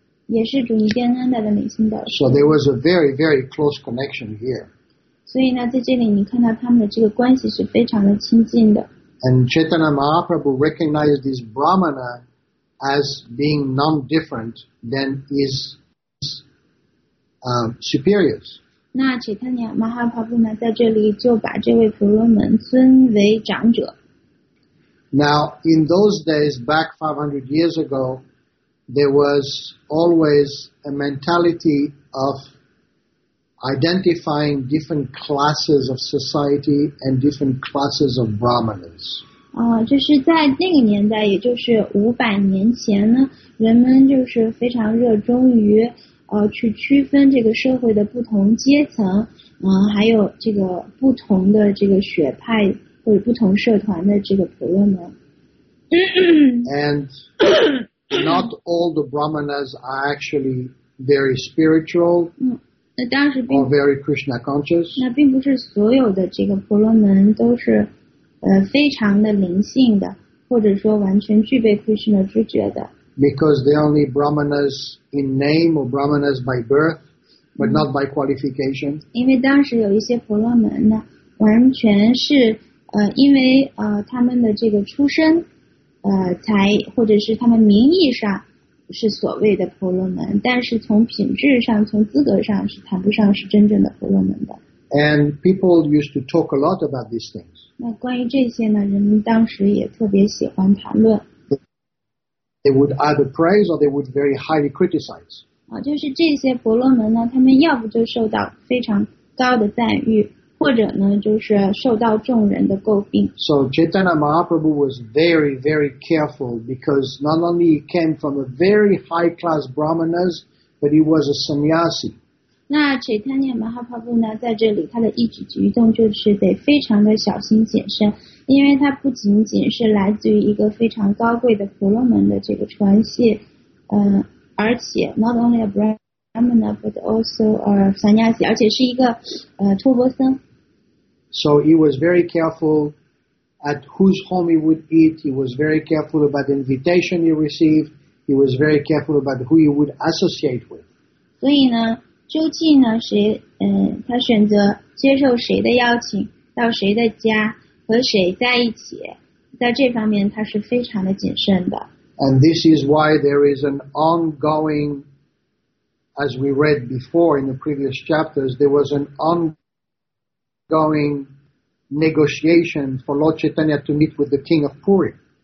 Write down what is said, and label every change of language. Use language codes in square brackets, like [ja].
[zh] 也是主尼天安达的领心导师。 [en] So there was a very, very close connection here. [zh] 所以呢，在这里你看到他们的这个关系是非常的亲近的。 [en] And Chaitanya Mahaprabhu recognized this Brahmana as being non-different than his superiors. [zh] 那 Chaitanya Mahaprabhu 呢，在这里就把这位婆罗门尊为长者。 [en] Now, in those days, back 500 years ago, there was always a mentality of identifying different classes of society and different classes of brahmanas. [zh] 就是在那个年代，也就是500年前呢，人们就是非常热衷于去区分这个社会的不同阶层，还有这个不同的这个学派或者不同社团的这个婆罗门。 [en] And not all the Brahmanas are actually very spiritual or very Krishna conscious. [zh] 那并不是所有的这个婆罗门都是非常的灵性的，或者说完全具备 Krishna 知觉的。 [en] Because they're only Brahmanas in name or Brahmanas by birth, but not by qualification. [zh] 因为当时有一些婆罗门呢，完全是因为他们的这个出身。才或者是他们名义上是所谓的婆罗门，但是从品质上、从资格上是谈不上是真正的婆罗门的。 [en] And people used to talk a lot about these things. [zh] 那关于这些呢，人们当时也特别喜欢谈论。 [en] They would either praise or they would very highly criticize. [zh] 就是这些婆罗门呢，他们要不就受到非常高的赞誉。或者呢，就是受到众人的诟病。 [en] So Chaitanya Mahaprabhu was very, very careful because not only he came from a very high class Brahmanas, but he was a sannyasi. [zh] 那 Chaitanya Mahaprabhu 呢，在这里他的一举一动就是得非常的小心谨慎，因为他不仅仅是来自于一个非常高贵的婆罗门的这个传系，而且 [en] not only a Brahman. Brahmana, but also sannyasi, [zh] 而且是一个托钵僧。 [en] So he was very careful at whose home he would eat. He was very careful about the invitation he received. He was very careful about who he would associate with. [zh] 所以呢，周记呢，他选择接受谁的邀请，到谁的家，和谁在一起，在这方面他是非常的谨慎的。And [en] this is why there is an ongoing, as we read before in the previous chapters, there was an ongoing negotiation for Lord Chaitanya to meet with the king of Puri.